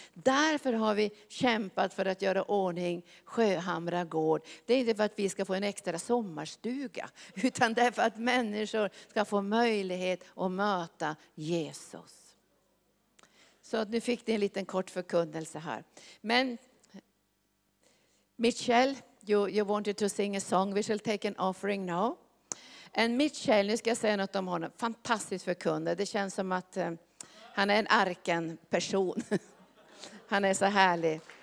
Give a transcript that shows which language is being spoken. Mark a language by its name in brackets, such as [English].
[Swedish] Därför har vi kämpat för att göra ordning Sjöhamra gård. Det är inte för att vi ska få en extra sommarstuga. Utan det är för att människor ska få möjlighet att möta Jesus. Så att nu fick ni en liten kort förkunnelse här. [English] Men Michelle, you wanted to sing a song. We shall take an offering now. [Swedish] And Michelle, nu ska jag säga något om honom. Fantastiskt förkunnelse. Det känns som att han är en arken person. Han är så härlig.